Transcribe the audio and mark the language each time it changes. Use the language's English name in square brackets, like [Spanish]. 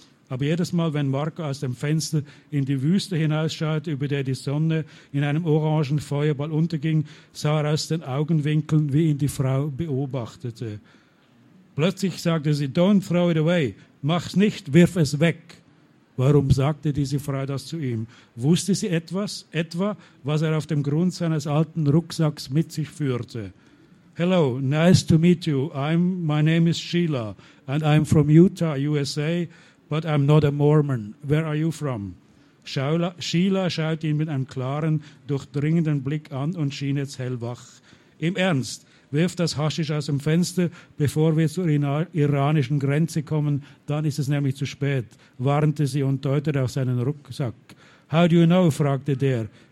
[German] Aber jedes Mal, wenn Marco aus dem Fenster in die Wüste hinausschaut, über der die Sonne in einem orangen Feuerball unterging, sah er aus den Augenwinkeln, wie ihn die Frau beobachtete. Plötzlich sagte sie, [English] don't throw it away, [German] mach's nicht, wirf es weg. Warum sagte diese Frau das zu ihm? Wusste sie etwas, etwa, was er auf dem Grund seines alten Rucksacks mit sich führte? [English] Hello, nice to meet you. My name is Sheila and I'm from Utah, USA. But I'm not a Mormon. Where are you from? [German] Sheila schaut ihn mit einem klaren, durchdringenden Blick an und schien jetzt hellwach. Im Ernst, wirf das Haschisch aus dem Fenster, bevor wir zur iranischen Grenze kommen, dann ist es nämlich zu spät, warnte sie und deutete auf seinen Rucksack. [English] How do you know? [German] Fragte der.